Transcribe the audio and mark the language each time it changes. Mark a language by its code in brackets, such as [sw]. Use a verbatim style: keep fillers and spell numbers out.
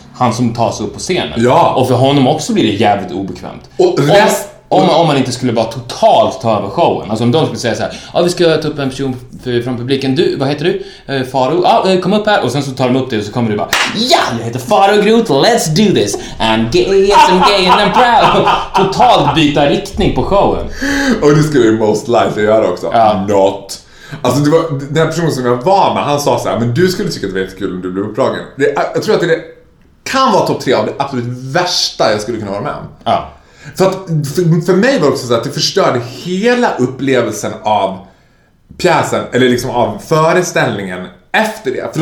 [sv] Han som tas upp på scenen. Ja. Och för honom också blir det jävligt obekvämt. Och rest... Om man, om man inte skulle bara totalt ta över showen. Alltså om de skulle säga så här: ja, vi ska ta upp en person för, från publiken. Du, vad heter du? Eh, Faro, ja, eh, kom upp här. Och sen så tar de upp det och så kommer du bara: ja, jag heter Faro Groth, [en] let's do this. I'm gay, yes I'm gay and I'm proud. [sv] Totalt byta riktning på showen. Och det skulle ju [en] most likely [sv] göra också. Ja. [en] Not. [sv] Alltså det var, den här personen som jag var med, han sa så här: men du skulle tycka att det var jättekul om du blev uppdragen. Det, jag tror att det, det kan vara topp tre av det absolut värsta jag skulle kunna vara med om. Ja. För, att, för, för mig var det också så att det förstörde hela upplevelsen av pjäsen, eller liksom av föreställningen efter det.